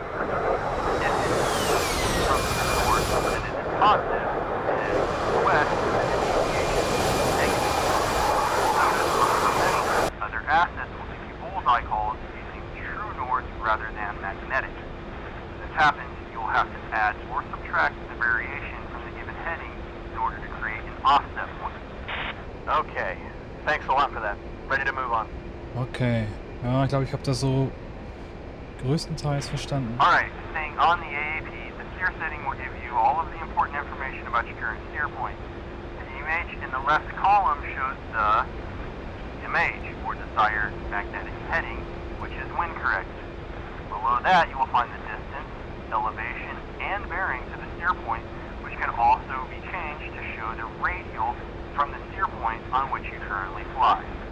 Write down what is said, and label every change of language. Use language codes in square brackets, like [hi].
[en] If it's from the north, then it's positive, and it's west, then it's negative. Other assets will give you bullseye calls using true north rather than magnetic. If this happens, you'll have to add or subtract the variation from the given heading in order to create an offset. Okay, thanks a lot for that. Ready to move on. [de] Okay, ja, ich glaube, ich habe das so größtenteils verstanden. [en] Alright, staying on the AAP, the steer setting will give you all of the important information about your current steer point. The image in the left column shows the image, or desired magnetic heading, which is wind correct. Below that, you will find the distance, elevation, and bearing to the steer point, which can also be changed to show the radial from the steer point on which you currently fly.